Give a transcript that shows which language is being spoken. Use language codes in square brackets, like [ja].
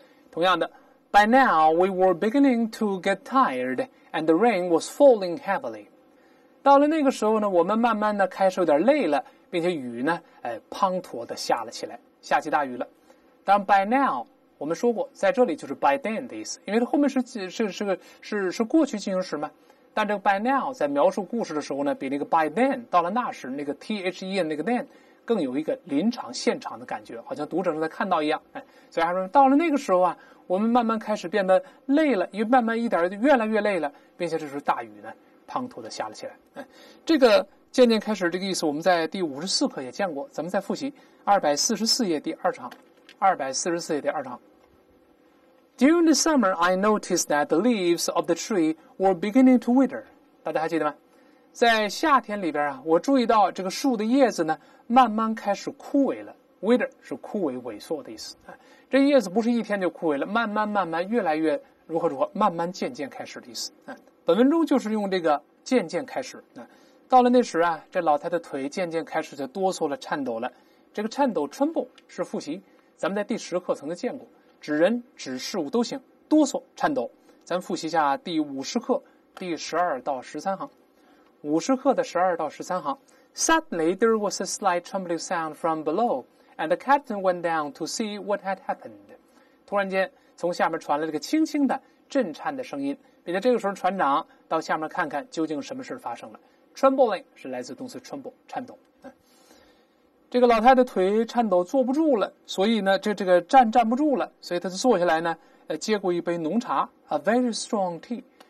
[zh] 同样的 [en] ,by now we were beginning to get tired and the rain was falling heavily。 [zh] 到了那个时候呢，我们慢慢的开始有点累了，并且雨呢滂沱的下了起来，下起大雨了。当然 by now, 我们说过在这里就是 by then 的意思，因为它后面是过去进行时嘛。但这个 by now 在描述故事的时候呢，比那个 by then 到了那时那个 THEN 那个 then,更有一个临场现场的感觉，好像读者正在看到一样。所以他说到了那个时候啊，我们慢慢开始变得累了，因为慢慢一点越来越累了，并且这时候大雨呢滂沱的下了起来。这个渐渐开始这个意思我们在第54课也见过，咱们再复习244页第二场。 [en] During the summer I noticed that the leaves of the tree were beginning to wither。 [zh] 大家还记得吗？在夏天里边啊，我注意到这个树的叶子呢慢慢开始枯萎了。 wither 是枯萎萎缩的意思，这叶子不是一天就枯萎了，慢慢慢慢越来越如何如何，慢慢渐渐开始的意思。本文中就是用这个渐渐开始。到了那时啊，这老太太腿渐渐开始就哆嗦了，颤抖了。这个颤抖 tremble 是复习，咱们在第十课曾经见过，指人指事物都行，哆嗦颤抖。咱复习一下第50课第12到13行，50课的12到13行。 [en] Suddenly there was a slight trembling sound from below, and the captain went down to see what had happened. [zh] 突然间从下面传来了个轻轻的震颤的声音，并且这个时候船长到下面看看究竟什么事发生了。 Trembling 是来自动词 tremble, 颤抖。这个老太太腿颤抖坐不住了，所以呢这个站不住了，所以她坐下来呢接过一杯浓茶， [en] a very strong tea。